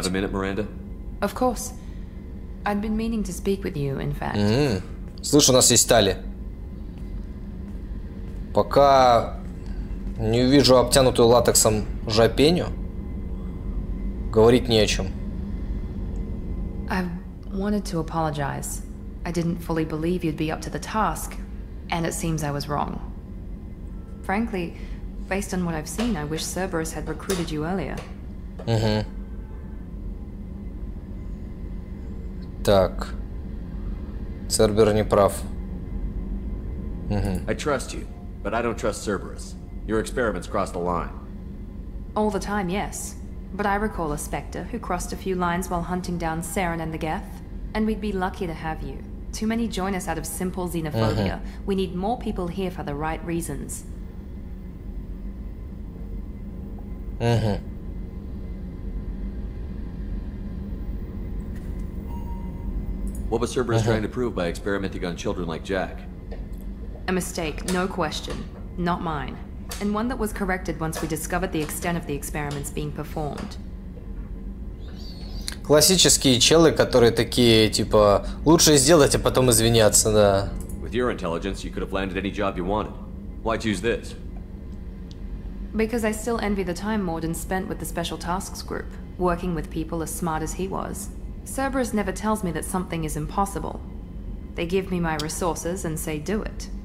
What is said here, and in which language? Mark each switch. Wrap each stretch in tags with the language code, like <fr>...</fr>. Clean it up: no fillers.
<ru>Слышь, у нас есть Тали. Пока не увижу обтянутую латексом жопеню, говорить не о чем.</ru> <en>I wanted to apologize. I didn't fully believe you'd be up to the task, and it seems I was wrong. Frankly, based on what I've seen, I wish Cerberus had recruited you earlier.</en> <ru>Так. Цербер не прав.</ru> <en>I trust you, but I don't trust Cerberus. Your experiments crossed the line. All the time, yes. But I recall a Spectre who crossed a few lines while hunting down Saren and the Geth. And we'd be lucky to have you. Too many join us out of simple xenophobia. We need more people here for the right reasons. What was Cerberus trying to prove by experimenting on children like Jack? A mistake, no question. Not mine. And one that was corrected once we discovered the extent of the experiments being performed.</en> <ru>Классические челы, которые такие, типа, лучше сделать, а потом извиняться, да.</ru> <en>With your intelligence, you could have landed any job you wanted. Why choose this? Because I still envy the time Morden spent with the special tasks group, working with people as smart as he was. Cerberus never tells me that something is impossible. They give me my resources and say do it.</en>